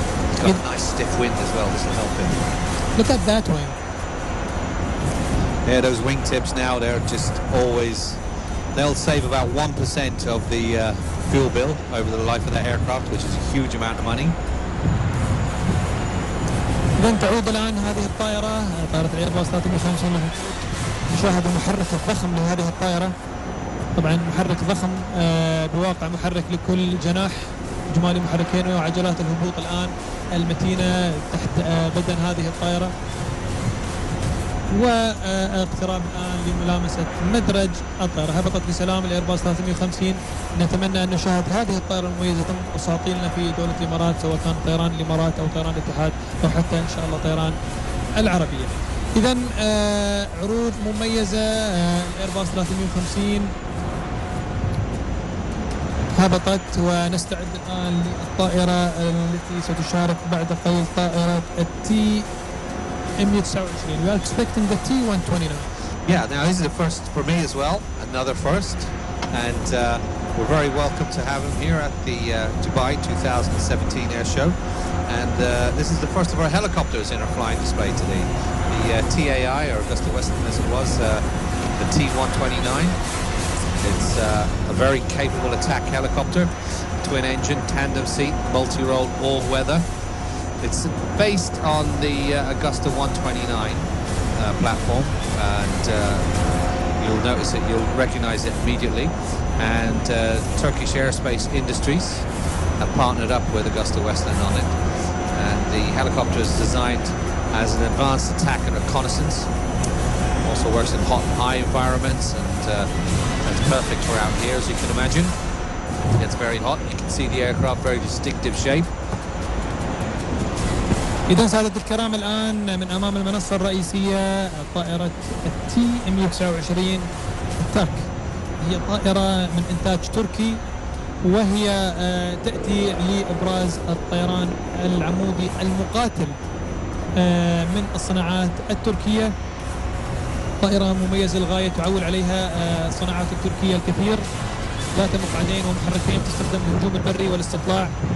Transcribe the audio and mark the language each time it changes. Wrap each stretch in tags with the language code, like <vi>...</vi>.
<en>It's got a nice stiff wind as well, this will help him. Look at that wing. Yeah, those wingtips now, they're just always... They'll save about 1% of the fuel bill over the life of that aircraft, which is a huge amount of money.</en> <ar>إذن تعود الآن هذه الطائرة طائرة إيرباص 350 نشاهد المحرك الضخم لهذه الطائرة طبعا محرك ضخم بواقع محرك لكل جناح إجمالي محركين وعجلات الهبوط الآن المتينة تحت بدن هذه الطائرة واقتراب الآن لملامسة مدرج الطائرة هبطت بسلام الإيرباص 350 نتمنى أن نشاهد هذه الطائرة المميزة أساطيلنا في دولة الإمارات سواء كان طيران الإمارات أو طيران الاتحاد أو حتى إن شاء الله طيران العربية إذن عروض مميزة الإيرباص 350 هبطت ونستعد الآن للطائرة التي ستشارك بعد قليل طائرة التي MU-29.</ar> <en>We are expecting the T-129. Yeah, now this is the first for me as well, another first, and we're very welcome to have him here at the Dubai 2017 air show, and this is the first of our helicopters in our flying display today, the TAI, or Augusta Weston as it was, the T-129. It's a very capable attack helicopter, twin engine, tandem seat, multi-role, all-weather. It's based on the Augusta 129 platform, and you'll notice it, you'll recognize it immediately. And Turkish Aerospace Industries have partnered up with Augusta Westland on it. And the helicopter is designed as an advanced attack and reconnaissance. Also works in hot and high environments, and it's perfect for out here, as you can imagine. It gets very hot, you can see the aircraft, very distinctive shape.</en> <ar>إذن سادة الكرام الآن من أمام المنصة الرئيسية طائرة التي ام 29 ترك هي طائرة من إنتاج تركي وهي تأتي لإبراز الطيران العمودي المقاتل من الصناعات التركية طائرة مميزة للغاية تعول عليها الصناعات التركية الكثير ذات مقعدين ومحركين تستخدم للهجوم البري والاستطلاع</ar>